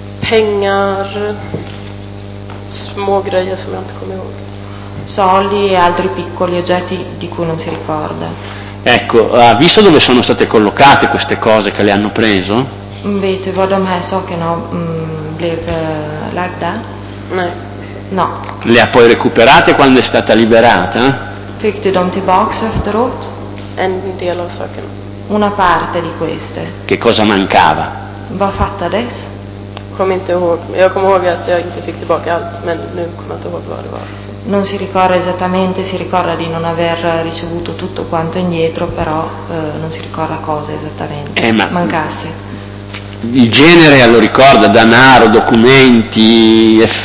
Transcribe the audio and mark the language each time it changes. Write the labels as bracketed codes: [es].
[sv] Pengar, små grejer som jag inte kommer ihåg. [it] Soldi e altri piccoli oggetti di cui non si ricorda. Ecco, ha visto dove sono state collocate queste cose che le hanno preso? Vete, vado a me, so che no, blev lagda? No. Le ha poi recuperate quando è stata liberata? [sv] Fick du dem tillbaka efteråt? En del av sakerna. [it] Una parte di queste. Che cosa mancava? [sv] Vad fattades? Kom inte ihåg. Jag kommer ihåg att jag inte fick tillbaka allt, men nu kommer jag inte ihåg vad det var. [it] Non si ricorda esattamente, si ricorda di non aver ricevuto tutto quanto indietro, però non si ricorda cosa esattamente mancasse. Il genere lo ricorda, denaro, documenti?